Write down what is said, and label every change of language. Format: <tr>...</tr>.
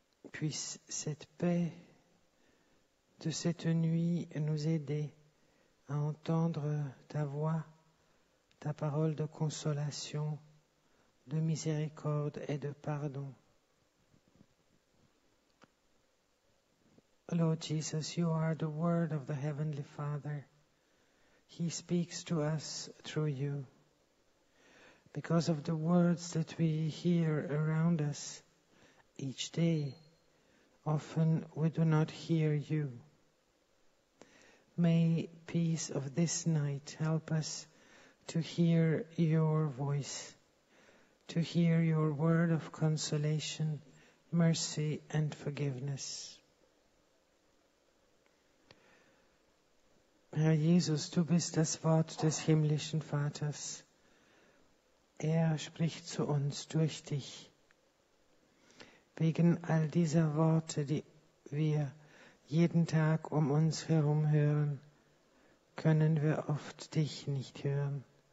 <fr>Puisse cette paix de cette nuit nous aider à entendre ta voix, ta parole de consolation, de miséricorde et de pardon.</fr> <en>Lord Jesus, you are the word of the Heavenly Father. He speaks to us through you. Because of the words that we hear around us each day, often we do not hear you. May peace of this night help us to hear your voice, to hear your word of consolation, mercy and forgiveness.</en> <de>Herr Jesus, du bist das Wort des himmlischen Vaters. Er spricht zu uns durch dich. Wegen all dieser Worte, die wir jeden Tag um uns herum hören, können wir oft dich nicht hören.</de>